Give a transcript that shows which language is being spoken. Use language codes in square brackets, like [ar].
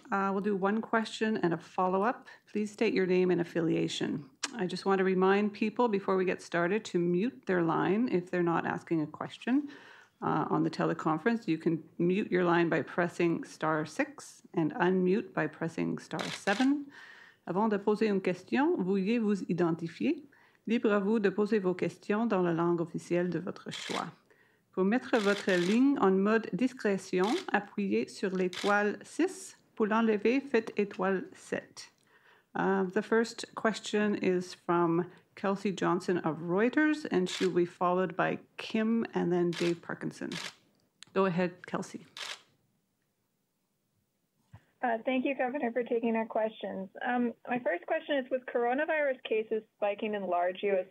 [en] We'll do one question and a follow-up. Please state your name and affiliation. I just want to remind people before we get started to mute their line if they're not asking a question. On the teleconference, you can mute your line by pressing star 6 and unmute by pressing star 7. [fr] Avant de poser une question, veuillez vous identifier. Libre à vous de poser vos questions dans la langue officielle de votre choix. Pour mettre votre ligne en mode discrétion, appuyez sur l'étoile 6. Pour l'enlever, faites étoile 7. [en] The first question is from Kelsey Johnson of Reuters, and she'll be followed by Kim and then Dave Parkinson. Go ahead, Kelsey. Thank you, Governor, for taking our questions. My first question is, with coronavirus cases spiking in large U.S.